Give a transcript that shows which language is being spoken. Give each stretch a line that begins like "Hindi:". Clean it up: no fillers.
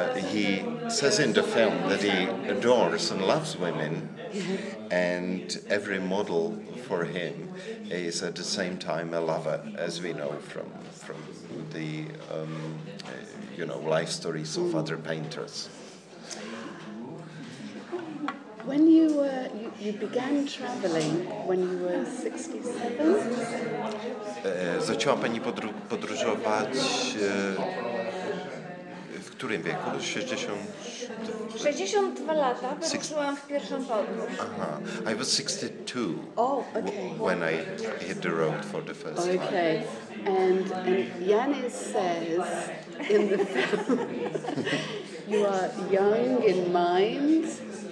English: He says in the film that he adores and loves women, and every model for him is at the same time a lover, as we know from the life stories of other painters. When you were you began traveling when you were 67?
Polish: Zaczęła pani podróżować w którym wieku? 62 lata wyruszyłam w pierwszą podróż.
English: Aha. I was 62. Oh, okay. When I hit the road for the first time. Okay. And Janis says in the film you are young in mind.